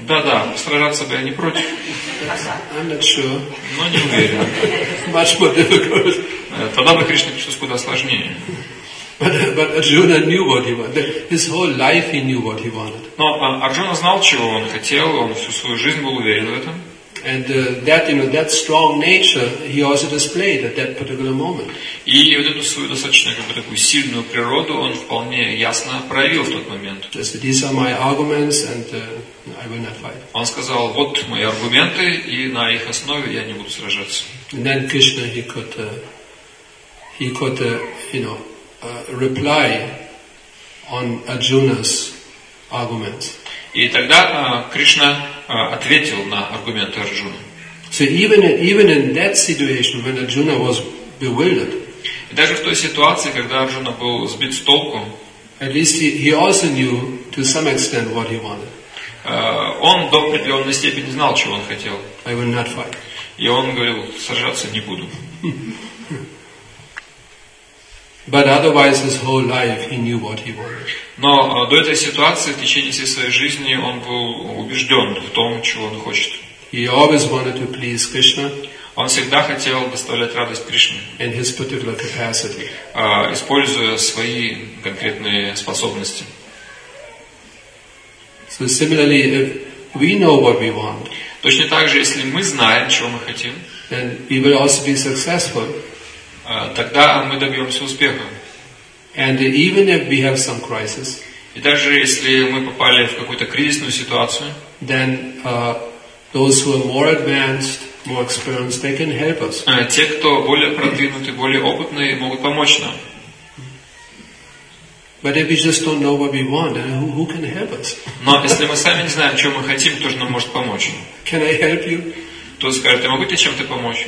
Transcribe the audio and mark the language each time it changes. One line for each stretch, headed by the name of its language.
Russian: Да-да, сражаться бы я не против.
English: I'm not sure.
Russian: Но не уверен.
English: Much more difficult.
Russian: Тогда бы Кришне пришлось куда сложнее.
English: But Arjuna knew what he wanted. His whole life he knew what he wanted.
Russian: Но Арджуна знал, чего он хотел. Он всю свою жизнь был уверен в этом.
English: And that, you know, that strong nature he also displayed at that particular moment.
Russian: И вот эту свою достаточно как бы такую сильную природу он вполне ясно проявил в тот момент.
English: Just these are my arguments, and I will not fight.
Russian: Он сказал: вот мои аргументы, и на их основе я не буду сражаться.
English: And then Krishna reply on Arjuna's arguments.
Russian: И тогда Кришна ответил на аргументы Арджуны.
English: So even in that situation when Arjuna was bewildered.
Russian: И даже в той ситуации, когда Арджуна был сбит с толку,
English: at least he also knew to some extent what he wanted.
Russian: Он до определенной степени знал, чего он хотел.
English: I will not fight.
Russian: И он говорил: сражаться не буду.
English: But otherwise, his whole life, he knew what he wanted.
Russian: Но до этой ситуации, в течение всей своей жизни, он был убежден в том, чего он хочет.
English: He always wanted to please Krishna.
Russian: Он всегда хотел доставлять радость Кришне.
English: In his particular capacity.
Russian: Используя свои конкретные способности.
English: So similarly, if we know what we want.
Russian: Точно так же, если мы знаем, чего мы хотим.
English: Then we will also be successful.
Russian: Тогда мы добьемся успеха.
English: And even if we have some crisis,
Russian: и даже если мы попали в какую-то кризисную ситуацию,
English: then those who are more advanced, more experienced, they can help us.
Russian: Те, кто более продвинутые, более опытные, могут помочь нам.
English: But if we just don't know what we want, then who can help us?
Russian: Но если мы сами не знаем, чего мы хотим, кто же нам может помочь?
English: Can I help you?
Russian: Кто скажет, я могу тебе чем-то помочь?